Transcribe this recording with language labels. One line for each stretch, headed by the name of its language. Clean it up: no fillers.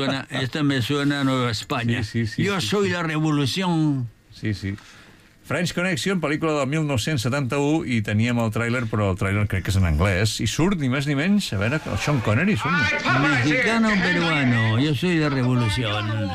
Spanish: Esta me suena a Nueva España. Sí. Yo soy la revolución. Sí.
Catalan: French Connection, pel·lícula del 1971, i teníem el tràiler, però el tràiler crec que és en anglès, i surt, ni més ni menys, a veure, el Sean Connery, surt.
Spanish: Mexicano peruano, yo soy de revolución.